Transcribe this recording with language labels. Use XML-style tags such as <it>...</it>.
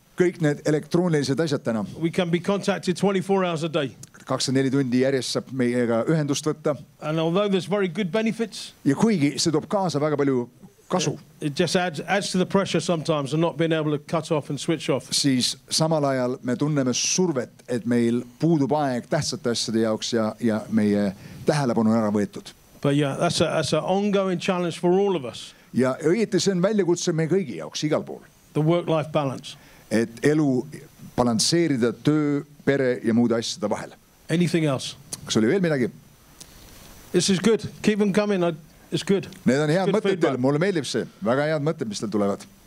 <et>kõik need elektroonilised asjad täna,</et> <en>we can be contacted 24 hours a day.</en> <et>24 tundi järjest saab meiega ühendust võtta.</et> <en>And although there's very good benefits,</en> <et>ja kuigi see toob kaasa väga palju kasu,</et> <en>it just adds to the pressure sometimes and not being able to cut off and switch off.</en> <et>Siis samal ajal me tunneme survet, et meil puudub aeg tähtsate asjade jaoks ja meie tähelepanu ära võetud.</et> <en>But yeah, that's an ongoing challenge for all of us.</en> <et>Ja õieti see on väljakutse meie kõigi jaoks igal pool.</et> <en>The work-life balance.</en> <et>Et elu balanseerida töö, pere ja muude asjade vahel.</et> <en>Anything else?</en> <et>Kas oli veel midagi?</et> <en>This is good. Keep them coming. It's good.</en> <et>Need on head mõtted teile. Mulle meeldib see. Väga head mõtted, mis teile tulevad.</et>